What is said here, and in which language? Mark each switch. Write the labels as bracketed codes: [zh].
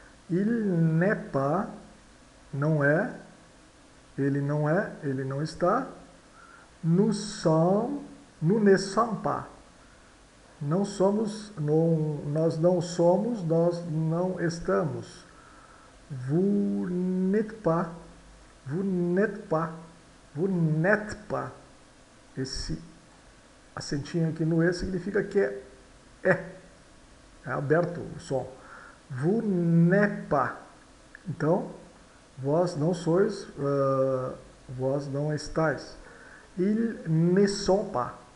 [fr] Il n'est pas, [pt] não é, ele não é, ele não está. [fr] Nous ne sommes pas. [pt] Não somos, não, nós não somos, nós não estamos. [fr] Vous n'êtes pas, vous n'êtes pas. [pt] Esse acentinho aqui no E significa que é aberto o som. [fr] Vous n'êtes pas. [pt] Então, vós não sois, vós não estáis. [fr] Ils ne sont pas.